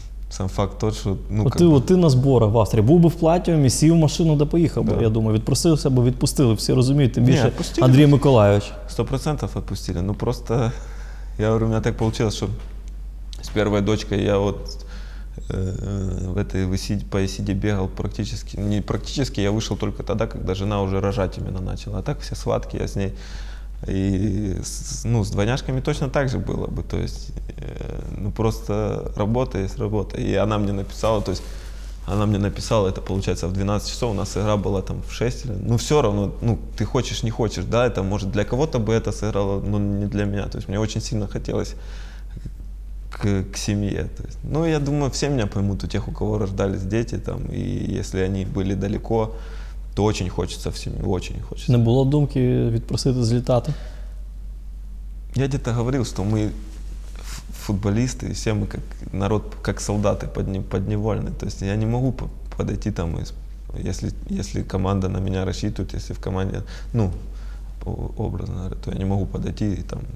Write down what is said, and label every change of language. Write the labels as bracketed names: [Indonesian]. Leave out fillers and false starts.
[Russian] Сам факт тот, что... [Ukrainian] Ну, от как ти, бы... ти на зборах в Австрії. Був би в платі, сів в машину, да поїхав би. Да. Я думаю, відпросився би, відпустили. Всі розуміють, тим більше не, Андрій Миколайович. 100% відпустили. Ну просто, я говорю, у мене так вийшло, що з першою дочкою я от в [Russian] этой по ACD бегал практически, не практически, [Ukrainian] я вийшов тільки тоді, коли жена уже рожати [Russian] именно начала. [Ukrainian] А так всі схватки я з нею. [Russian] И ну, с двойняшками точно так же было бы, то есть, ну просто работа есть работа. И она мне написала, то есть, она мне написала, это получается в 12 часов, у нас игра была там в 6 или... Ну все равно, ну ты хочешь, не хочешь, да, это может для кого-то бы это сыграло, но не для меня. То есть мне очень сильно хотелось к семье. То есть, ну я думаю, все меня поймут, у тех, у кого рождались дети там, и если они были далеко, то очень хочется в семью, очень хочется. [Ukrainian] Не было думки відпросити злітати? [Russian] Я где-то говорил, что мы футболисты, и все мы как народ, как солдаты подневольны. То есть я не могу подойти там, если команда на меня рассчитывает, если в команде, ну, образно говоря, то я не могу подойти и там...